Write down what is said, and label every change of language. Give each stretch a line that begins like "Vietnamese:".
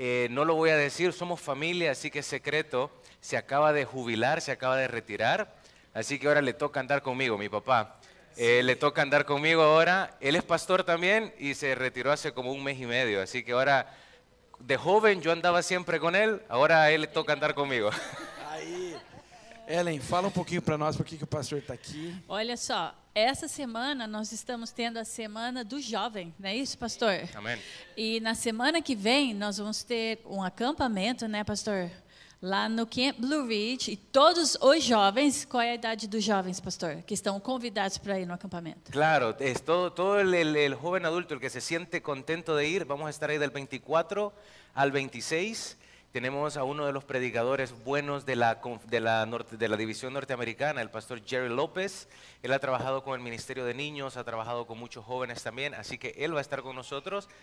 Spanish: No lo voy a decir, somos familia, así que es secreto. Se acaba de jubilar, se acaba de retirar. Así que ahora le toca andar conmigo, mi papá. Le toca andar conmigo ahora. Él es pastor también y se retiró hace como 1 mes y medio. Así que ahora, de joven yo andaba siempre con él, ahora a él le toca andar conmigo. Ahí.
Portuguese: Ellen, fala um pouquinho para nós por que o pastor está aqui. Olha só, essa semana nós estamos tendo a semana do jovem, não é isso, pastor? Amém. E na semana que vem nós vamos ter um acampamento, né, pastor? Lá no Camp Blue Ridge. E todos os jovens, qual é a idade dos jovens, pastor? Que estão convidados para ir no acampamento.
Spanish: Claro, todo el joven adulto, el que se siente contento de ir, vamos a estar aí del 24 al 26. Tenemos a uno de los predicadores buenos de la división norteamericana, el pastor Jerry López. Él ha trabajado con el Ministerio de Niños, ha trabajado con muchos jóvenes también, así que él va a estar con nosotros.